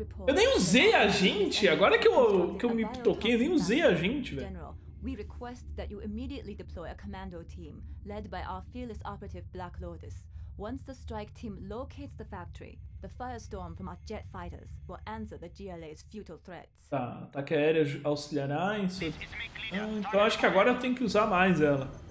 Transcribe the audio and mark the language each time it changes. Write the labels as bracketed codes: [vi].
[pt] Eu nem usei a gente, agora que eu me toquei, eu nem usei a gente, velho. [en] General, we request that you immediately deploy a commando team led by our fearless operative Black Lotus. Once the strike team locates the factory, the firestorm from our jet fighters will answer the GLA's futile threats. [pt] Tá, ataque aéreo auxiliará em seu... então acho que agora eu tenho que usar mais ela.